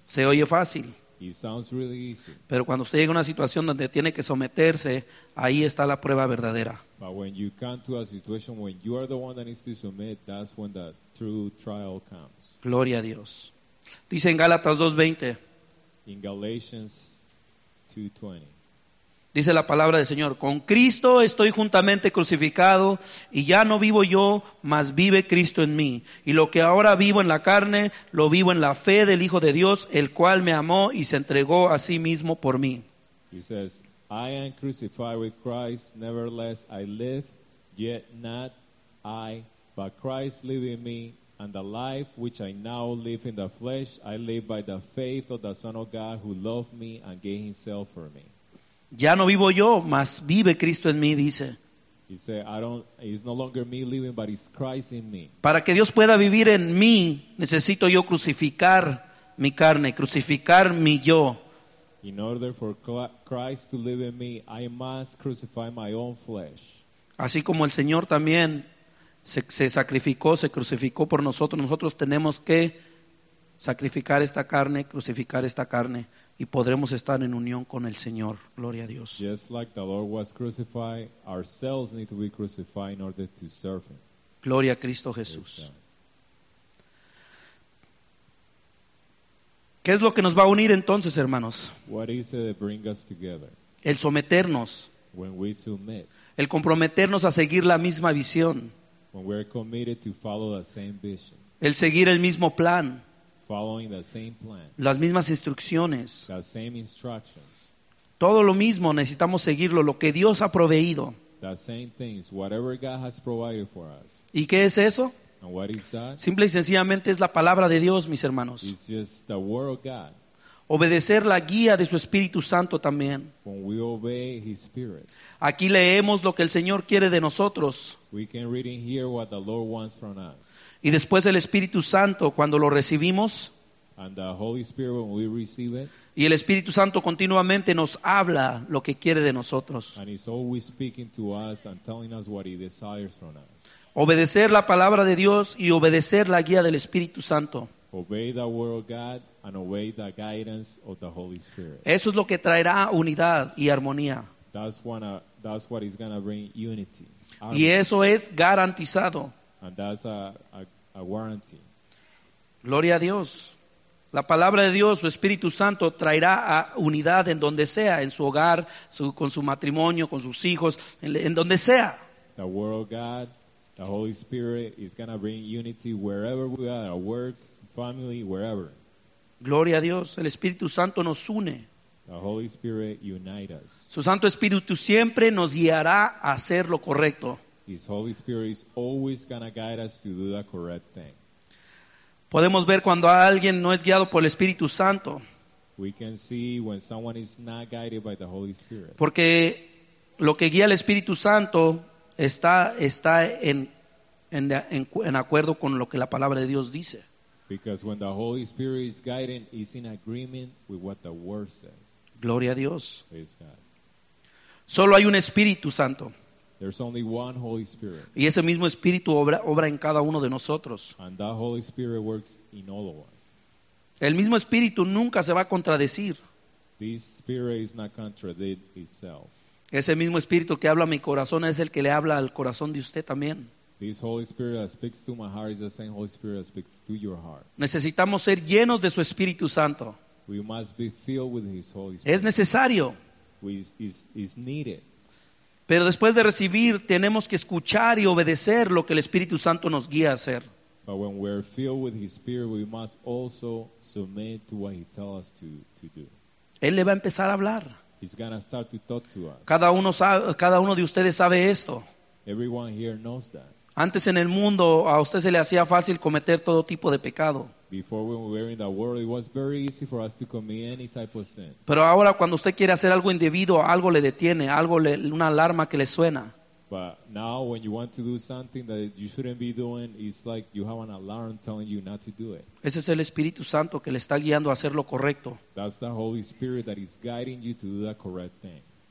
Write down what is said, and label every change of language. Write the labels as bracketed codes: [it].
[es] Se oye fácil. [en] It sounds really easy. [es] Pero cuando usted llega a una situación donde tiene que someterse, ahí está la prueba verdadera. [en] But when you come to a situation when you are the one that needs to submit, that's when the true trial comes. [es] Gloria a Dios. Dice en Gálatas 2:20. [en] In Galatians 2:20. [es] Dice la palabra del Señor, con Cristo estoy juntamente crucificado y ya no vivo yo, mas vive Cristo en mí. Y lo que ahora vivo en la carne, lo vivo en la fe del Hijo de Dios, el cual me amó y se entregó a sí mismo por mí. [en] He says, I am crucified with Christ, nevertheless I live, yet not I, but Christ live in me, and the life which I now live in the flesh, I live by the faith of the Son of God who loved me and gave himself for me. [es] Ya no vivo yo, mas vive Cristo en mí, dice. [en] He said, it's no longer me living, but it's Christ in me. [es] Para que Dios pueda vivir en mí, necesito yo crucificar mi carne, crucificar mi yo. [en] In order for Christ to live in me, I must crucify my own flesh. [es] Así como el Señor también se sacrificó, se crucificó por nosotros, nosotros tenemos que sacrificar esta carne, crucificar esta carne, y podremos estar en unión con el Señor. Gloria a Dios. [en] Just like the Lord was crucified, ourselves need to be crucified in order to serve Him. [es] Gloria a Cristo Jesús. ¿Qué es lo que nos va a unir entonces, hermanos? [en] What is it that bring us together? [es] El someternos. [en] When we submit. [es] El comprometernos a seguir la misma visión. [en] When we're committed to follow the same vision. [es] El seguir el mismo plan. [en] Following the same plan. [es] Las mismas instrucciones. [en] The same instructions. [es] Todo lo mismo, necesitamos seguirlo, lo que Dios ha proveído. [en] The same things, whatever God has provided for us. [es] ¿Y qué es eso? [en] And what is that? [es] Simple y sencillamente es la palabra de Dios, mis hermanos. [en] It's just the word of God. [es] Obedecer la guía de su Espíritu Santo también. [en] When we obey His Spirit. [es] Aquí leemos lo que el Señor quiere de nosotros. [en] We can read in here what the Lord wants from us. [es] Y después el Espíritu Santo, cuando lo recibimos. [en] And the Holy Spirit, when we receive it, [es] y el Espíritu Santo continuamente nos habla lo que quiere de nosotros. [en] And He's always speaking to us and telling us what He desires from us. [es] Obedecer la palabra de Dios y obedecer la guía del Espíritu Santo. [en] Obey the word of God and obey the guidance of the Holy Spirit. [es] Eso es lo que traerá unidad y armonía. [en] That's what is going to bring unity. [es] Armonía. Y eso es garantizado. [en] And that's a guarantee. [es] Gloria a Dios. La palabra de Dios, su Espíritu Santo, traerá a unidad en donde sea, en su hogar, con su matrimonio, con sus hijos, en donde sea. [en] The word of God. The Holy Spirit is going to bring unity wherever we are, at work, family, wherever. [es] Gloria a Dios. El Espíritu Santo nos une. [en] The Holy Spirit unites us. [es] Su Santo Espíritu siempre nos guiará a hacer lo correcto. [en] His Holy Spirit is always going to guide us to do the correct thing. [es] Podemos ver cuando alguien no es guiado por el Espíritu Santo. [en] We can see when someone is not guided by the Holy Spirit. [es] Porque lo que guía al Espíritu Santo está en acuerdo con lo que la palabra de Dios dice. [en] Because when the Holy Spirit is guiding, it's in agreement with what the Word says. [es] Gloria a Dios. [en] Praise God. [es] Solo hay un Espíritu Santo. [en] There's only one Holy Spirit. [es] Y ese mismo Espíritu obra en cada uno de nosotros. [en] And that Holy Spirit works in all of us. [es] El mismo Espíritu nunca se va a contradecir. [en] This Spirit is not contradict itself. [es] Ese mismo Espíritu que habla a mi corazón es el que le habla al corazón de usted también. [en] This Holy Spirit that speaks to my heart is the same Holy Spirit that speaks to your heart. [es] Necesitamos ser llenos de su Espíritu Santo. [en] We must be filled with His Holy Spirit. [es] Es necesario. [en] It's needed. [es] Pero después de recibir, tenemos que escuchar y obedecer lo que el Espíritu Santo nos guía a hacer. [en] But when we're filled with His Spirit, we must also submit to what He tells us to do. [es] Él le va a empezar a hablar. [en] He's going to start to talk to us. [es] Cada uno de ustedes sabe esto. [en] Everyone here knows that. [es] Antes en el mundo, a usted se le hacía fácil cometer todo tipo de pecado. [en] Before when we were in the world, it was very easy for us to commit any type of sin. [es] Pero ahora cuando usted quiere hacer algo indebido, algo le detiene, una alarma que le suena. [en] But now when you want to do something that you shouldn't be doing, it's like you have an alarm telling you not to do it. [es] Ese es el Espíritu Santo que le está guiando a hacer lo correcto. [en] That's the Holy Spirit that is guiding you to do the correct thing.